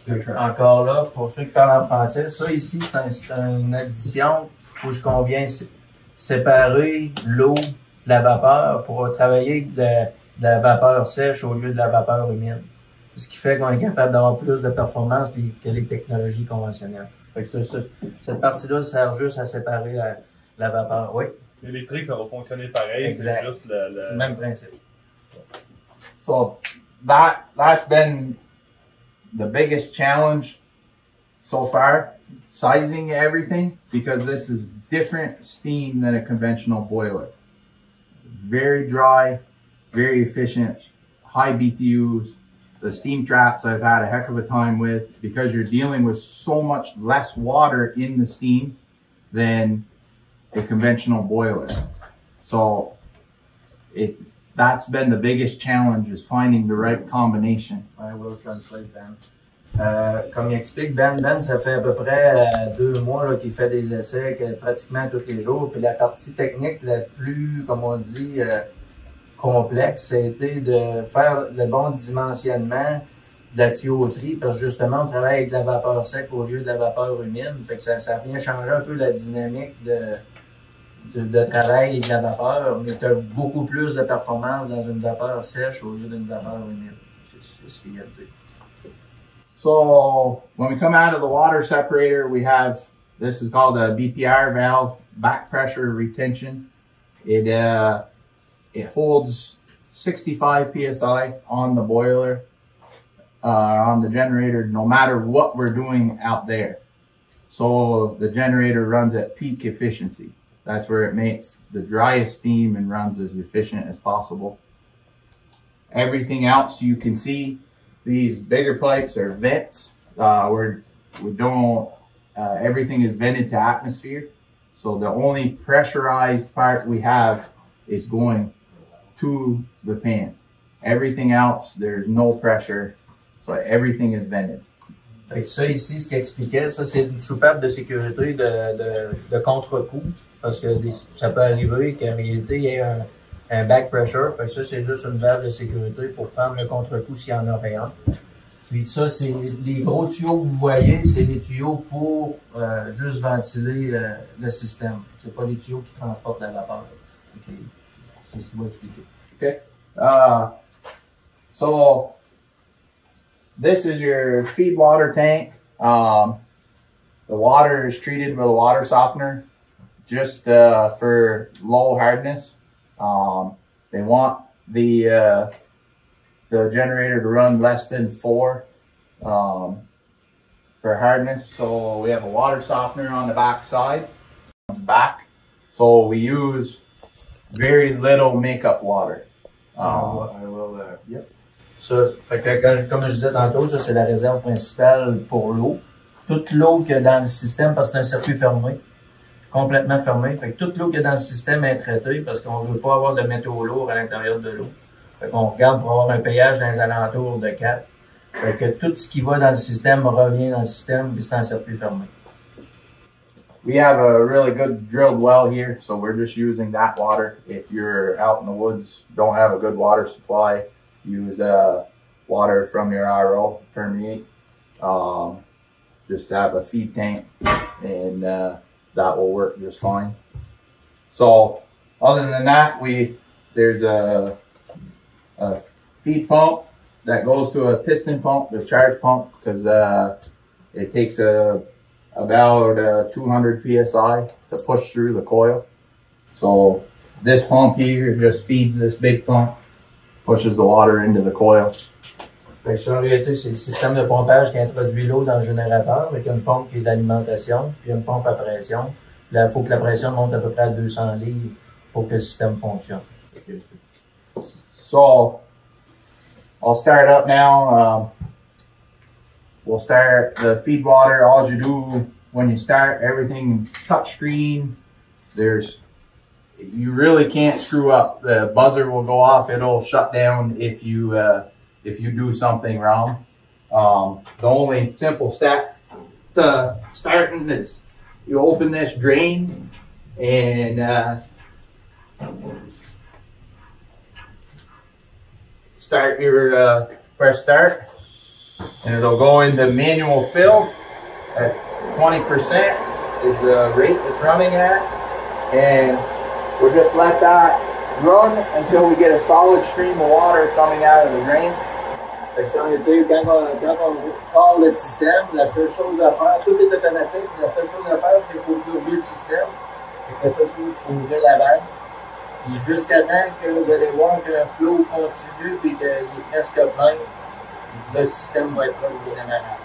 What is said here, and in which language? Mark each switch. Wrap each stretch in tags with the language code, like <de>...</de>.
<fr>Encore là, pour ceux qui parlent en français, ça ici, c'est une addition où ce qu'on vient séparer l'eau de la vapeur pour travailler de la vapeur sèche au lieu de la vapeur humide. Ce qui fait qu'on est capable d'avoir plus de performance que les technologies conventionnelles. Fait que cette partie-là sert juste à séparer la vapeur. Oui. L'électrique, ça va fonctionner pareil. Exact. C'est juste le même principe.</fr> <en>So, that's been the biggest challenge so far, sizing everything, because this is different steam than a conventional boiler. Very dry, very efficient, high BTUs. The steam traps I've had a heck of a time with, because you're dealing with so much less water in the steam than a conventional boiler. So that's been the biggest challenge, is finding the right combination. I will translate, Ben.</en> <fr>Comme il explique, Ben, ça fait à peu près deux mois là, qu'il fait des essais pratiquement tous les jours. Puis la partie technique la plus, comme on dit, complexe, c'était de faire le bon dimensionnement de la tuyauterie, parce que justement, on travaille avec de la vapeur sec au lieu de la vapeur humide. Fait que ça vient changer un peu la dynamique de travail et de la vapeur, mais tu as beaucoup plus de performance dans une vapeur sèche au lieu d'une vapeur humide. C'est ce qu'il y a de.</fr> <en>So, when we come out of the water separator, we have, this is called a BPR valve, back pressure retention. It holds 65 PSI on the boiler, on the generator, no matter what we're doing out there. So the generator runs at peak efficiency. That's where it makes the driest steam and runs as efficient as possible. Everything else you can see, these bigger pipes are vents. Everything is vented to atmosphere. So the only pressurized part we have is going to the pan. Everything else, there's no pressure. So everything is vented.</en> <fr>Ça ici, ce qu'il expliquait, ça c'est une soupape de sécurité de contre-coup. Parce que ça peut arriver qu'en réalité, il y ait un back pressure. Fait que ça, c'est juste une valve de sécurité pour prendre le contre-coup s'il y en aurait un. Puis ça, c'est les gros tuyaux que vous voyez, c'est des tuyaux pour juste ventiler le système. C'est pas des tuyaux qui transportent la vapeur. Okay. C'est ce qu'il va expliquer.</fr> <en>OK. So, this is your feed water tank. The water is treated with a water softener just for low hardness. They want the generator to run less than four for hardness. So we have a water softener on the back side, on the back. So we use very little makeup water.</en> <fr>Comme je disais tantôt, ça c'est la réserve principale pour l'eau. Toute l'eau qu'il y a dans le système, parce que c'est un circuit fermé, complètement fermé. Fait que toute l'eau qu'il y a dans le système est traitée parce qu'on veut pas avoir de métaux lourds à l'intérieur de l'eau. Fait qu'on regarde pour avoir un péage dans les alentours de 4. Fait que tout ce qui va dans le système revient dans le système, puis c'est un circuit fermé.</fr> <en>We have a really good drilled well here, so we're just using that water. If you're out in the woods, don't have a good water supply, use water from your RO, permeate. Just have a feed tank and that will work just fine. So other than that, there's a feed pump that goes to a piston pump, discharge pump, because it takes about 200 PSI to push through the coil. So this pump here just feeds this big pump, pushes the water into the coil.</en> <fr>Fait que ça, en réalité, c'est le système de pompage qui introduit l'eau dans le générateur avec une pompe qui est d'alimentation, puis une pompe à pression. Là, il faut que la pression monte à peu près à 200 livres pour que le système fonctionne.</fr> <en>So, I'll start up now. We'll start the feed water. All you do when you start, everything touch screen. There's, you really can't screw up. The buzzer will go off. It'll shut down if you do something wrong. The only simple step to starting is you open this drain and start your press start, and it'll go into manual fill at 20% is the rate it's running at, and we'll just let that run until we get a solid stream of water coming out of the drain.</en> <fr>Fait que si on est deux, quand on parle le système, la seule chose à faire, tout est automatique, la seule chose à faire, c'est pour ouvrir le système. Fait que la seule chose, pour ouvrir la vanne. Et jusqu'à temps que vous allez voir que le flow continue et qu'il est presque plein, le système va être là, bien amarré.</fr>